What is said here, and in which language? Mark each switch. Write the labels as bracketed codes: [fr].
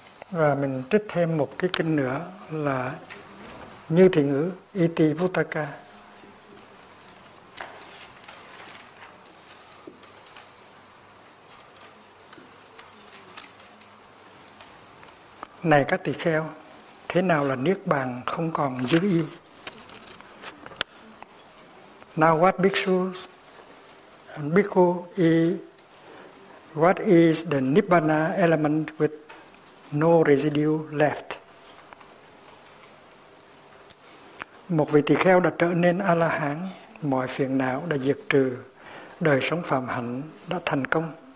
[vi] Và mình trích thêm một cái kinh nữa là Như Thị Ngữ, Iti Vuttaka. Này các tỳ kheo, thế nào là niết bàn không còn dư y? [en] Now what bhikshus, bhikkhu is, what is the nibbana element with no residue left? [vi] Một vị tỳ kheo đã trở nên A-la-hán, mọi phiền não đã diệt trừ, đời sống phàm hạnh đã thành công.